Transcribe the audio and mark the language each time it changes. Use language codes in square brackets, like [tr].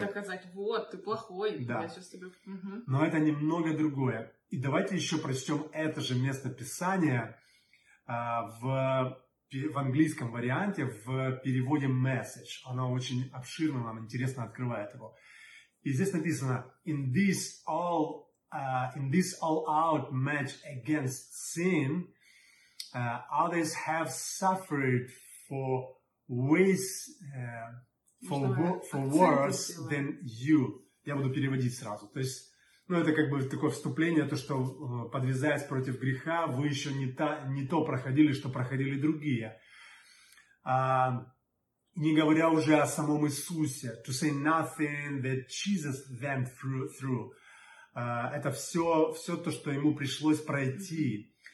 [ru] Доказать, вот, ты плохой. Да. Но это немного другое. И давайте еще прочтем это же место Писания в английском варианте, в переводе Message. Оно очень обширно, нам интересно открывает его. И здесь написано: [en] in this all-out match against sin, others have suffered for worse than you. [ru] Я буду переводить сразу. То есть, ну, это как бы такое вступление, то, что, подвязаясь против греха, вы еще не то проходили, что проходили другие. Не говоря уже о самом Иисусе. [en] To say nothing that Jesus went through. [ru] Это все то, что ему пришлось пройти.